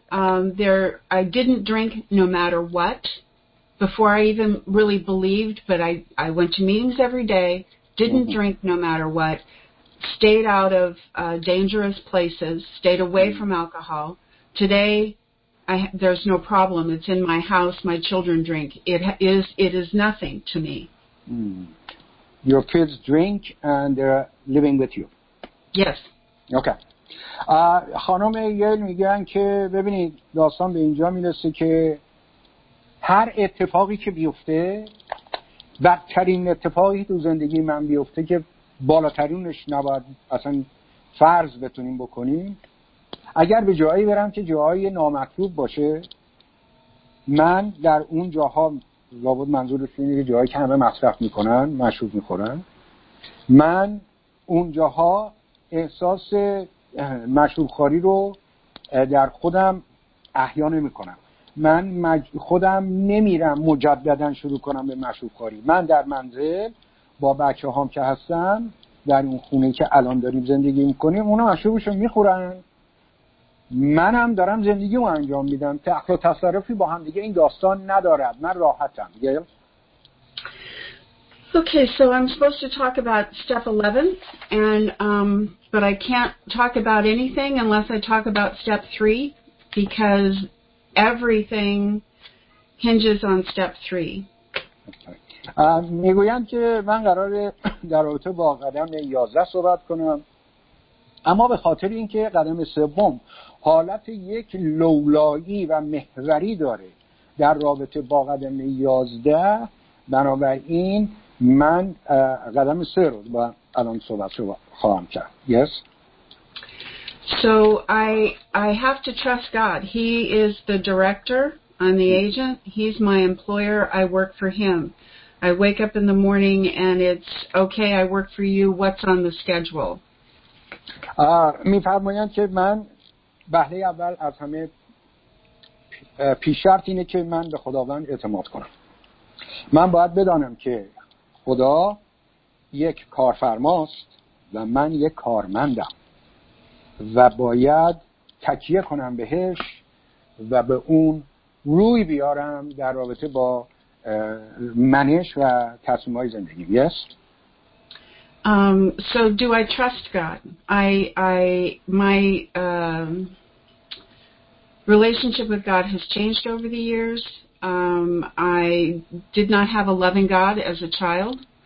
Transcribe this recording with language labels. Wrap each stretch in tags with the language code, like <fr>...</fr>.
<en>I didn't drink no matter what before I even really believed, but I went to meetings every day, didn't drink no matter what, stayed out of dangerous places, stayed away from alcohol. Today, there's no problem. It's in my house. My children drink. It is nothing to me. Mm. Your kids drink and they're living with you. Yes. Okay.</en> <fa>خانم ایل میگن که ببینید داستان به اینجا میرسه که هر اتفاقی که بیفته، بدترین اتفاقی تو زندگی من بیفته که بالاترینش نباید اصلا فرض بتونیم بکنیم، اگر به جایی برم که جایی نامطلوب باشه، من در اون جاها لابد منظورش اینه که جایی که همه مصرف میکنن، مشروب میخورن، من اون جاها احساس مشروب خوری رو در خودم احیانا میکنم. من خودم نمیرم مجددا شروع کنم به مشروب خوری. من در منزل با بچه هام که هستم در اون خونه که الان داریم زندگی میکنیم، اونا مشروبشو میخورن، منم دارم زندگی رو انجام میدم. تعقل و تصرفی با هم دیگه این داستان ندارد. من راحتم.</fa> <en>Okay, so I'm supposed to talk about step 11 and but I can't talk about anything unless I talk about step 3, because everything hinges on step 3.</en> <fa>میگویند که من قراره در رابطه با قدم 11 صحبت کنم، اما به خاطر اینکه قدم 3 حالت یک لولایی و محوری داره در رابطه با قدم 11، بنابراین من قدم 3 رو با الان صحبت خواهم کرد.</fa> <en>Yes. So I have to trust God. He is the director. I'm the agent. He's my employer. I work for him. I wake up in the morning and it's okay, I work for you. What's on the schedule?</en> <fa>می‌فرمایند که من بهله اول از همه پیش‌شرط اینه که من به خداوند اعتماد کنم. من باید بدانم که خدا یک کارفرماست و من یک کارمندم و باید تکیه کنم بهش و به اون روی بیارم در رابطه با منش و تصمیم های زندگی.</fa> <en>Yes? So do I trust God? My relationship with God has changed over the years. I did not have a loving God as a child.</en>